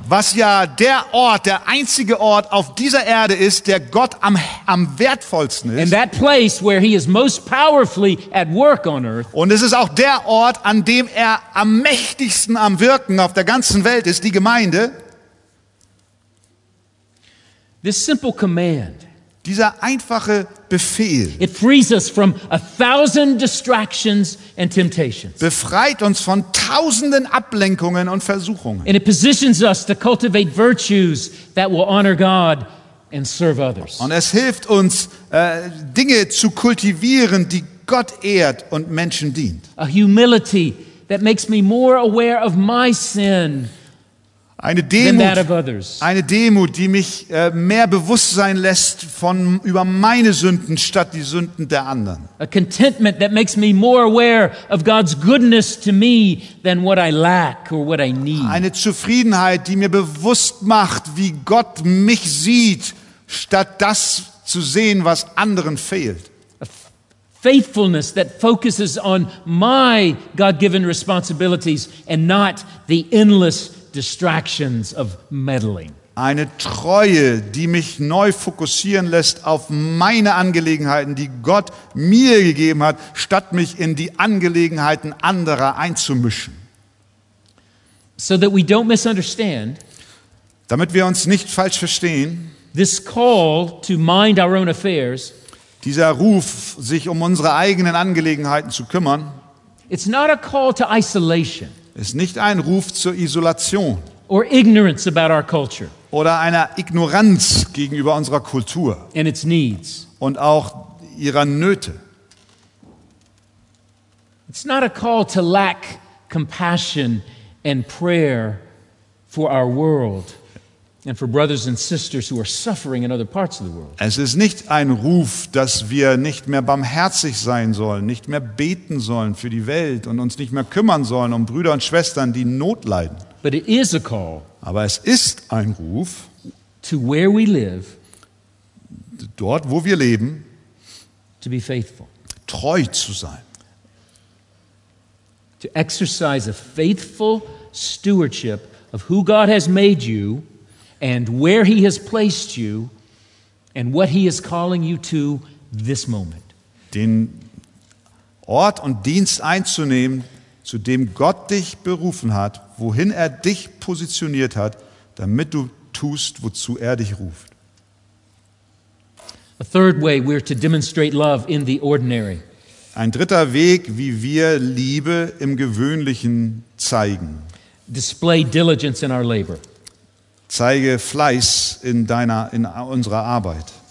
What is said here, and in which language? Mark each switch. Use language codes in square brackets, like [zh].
[de] Was ja der Ort, der einzige Ort auf dieser Erde ist, der Gott am wertvollsten ist. [en] And that place where he is most powerfully at work on earth. [de] Und es ist auch der Ort, an dem er am mächtigsten am Wirken auf der ganzen Welt ist, die Gemeinde. [en] This simple command. [de] Dieser einfache Befehl. [en] It frees us from a thousand distractions and temptations. [de] Befreit uns von tausenden Ablenkungen und Versuchungen. [en] And it positions us to cultivate virtues that will honor God and serve others. [de] Und es hilft uns, Dinge zu kultivieren, die Gott ehrt und Menschen dient. [en] A humility that makes me more aware of my sin. [de] Eine Demut, die mich mehr bewusst sein lässt über meine Sünden statt die Sünden der anderen. [en] A contentment that makes me more aware of God's goodness to me than what I lack or what I need. [de] Eine Zufriedenheit, die mir bewusst macht, wie Gott mich sieht, statt das zu sehen, was anderen fehlt. [en] Faithfulness that focuses on my God-given responsibilities and not the endless distractions of meddling. [de] Eine Treue, die mich neu fokussieren lässt auf meine Angelegenheiten, die Gott mir gegeben hat, statt mich in die Angelegenheiten anderer einzumischen. [en] So that we don't misunderstand, [de] damit wir uns nicht falsch verstehen, [en] this call to mind our own affairs, [de] dieser Ruf, sich um unsere eigenen Angelegenheiten zu kümmern, [en] it's not a call to isolation. [de] Ist nicht ein Ruf zur Isolation [en] or ignorance about our culture. [de] Oder einer Ignoranz gegenüber unserer Kultur [en] and its needs. [de] Und auch ihrer Nöte. [en] It's not a call to lack compassion and prayer for our world and for brothers and sisters who are suffering in other parts of the world. [de] Es ist nicht ein Ruf, dass wir nicht mehr barmherzig sein sollen, nicht mehr beten sollen für die Welt und uns nicht mehr kümmern sollen um Brüder und Schwestern, die Not leiden. [en] But it is a call. [de] Aber es ist ein Ruf [en] to where we live, [de] dort wo wir leben, [en] to be faithful. [de] Treu zu sein. [en] To exercise a faithful stewardship of who God has made you. And where he has placed you and what he is calling you to this moment. [de] Den Ort und Dienst einzunehmen, zu dem Gott dich berufen hat, wohin er dich positioniert hat, damit du tust, wozu er dich ruft. [en] A third way we're to demonstrate love in the ordinary. [de] Ein dritter Weg, wie wir Liebe im Gewöhnlichen zeigen. [en] Display diligence in our labor. [de] Zeige Fleiß in unserer Arbeit.